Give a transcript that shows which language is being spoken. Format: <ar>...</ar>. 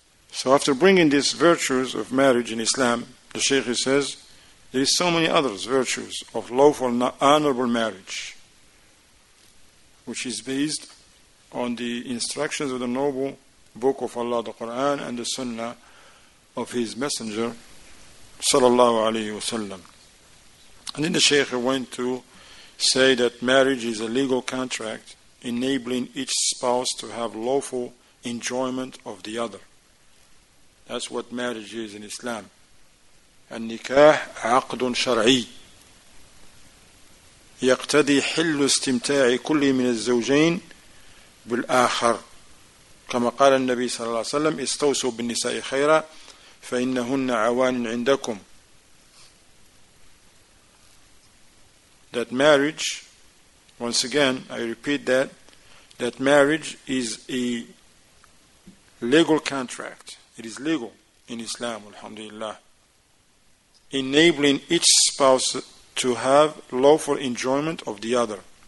<en>So after bringing these virtues of marriage in Islam, the Shaykh says, there is so many others virtues of lawful, honorable marriage, which is based on the instructions of the noble book of Allah, the Quran, and the Sunnah of His Messenger, Sallallahu Alaihi Wasallam. And then the Shaykh went to say that marriage is a legal contract enabling each spouse to have lawful enjoyment of the other. That's what marriage is in Islam.</en> <ar>النكاح عقد شرعي يقتضي حل استمتاع كل من الزوجين بالآخر كما قال النبي صلى الله عليه وسلم استوصوا بالنساء خيرا فإنهن عوان عندكم.</ar> <en>That marriage, once again I repeat that marriage is a legal contract. It is legal in Islam, alhamdulillah, enabling each spouse to have lawful enjoyment of the other.</en>